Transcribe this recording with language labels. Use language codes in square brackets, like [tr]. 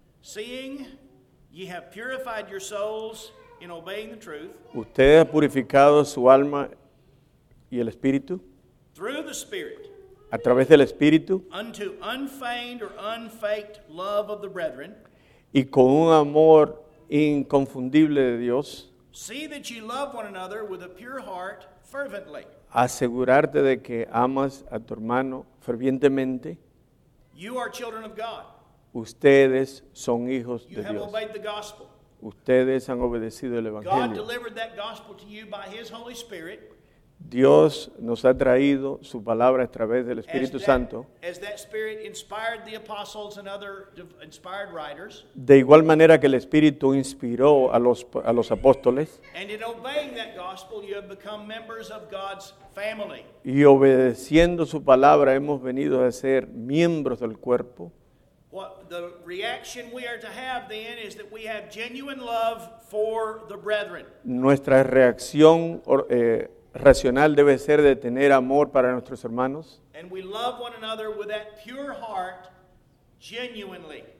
[en] Seeing ye have purified your souls in obeying the truth. [es] Usted ha purificado su alma y el espíritu. [en] Through the spirit. [es] A través del espíritu. [en] Unto unfeigned or unfaked love of the brethren. [es] Y con un amor inconfundible de Dios. [en] See that ye love one another with a pure heart fervently. [es] Asegurarte de que amas a tu hermano fervientemente. [en] You are children of God. [es] Ustedes son hijos [en] you [es] de Dios. [en] You have obeyed the gospel. [es] Ustedes han obedecido el Evangelio. [en] God delivered that gospel to you by his Holy Spirit. [es] Dios nos ha traído su palabra a través del Espíritu Santo. [en] As that Spirit inspired the apostles and other inspired writers. [es] De igual manera que el Espíritu inspiró a los apóstoles. [en] And in obeying that gospel, you have become members of God's family. [es] Y obedeciendo su palabra, hemos venido a ser miembros del cuerpo. [en] What the reaction we are to have then is that we have genuine love for the brethren. [es] Nuestra reacción racional debe ser de tener amor para nuestros hermanos. [en] And we love one another with that pure heart, genuinely.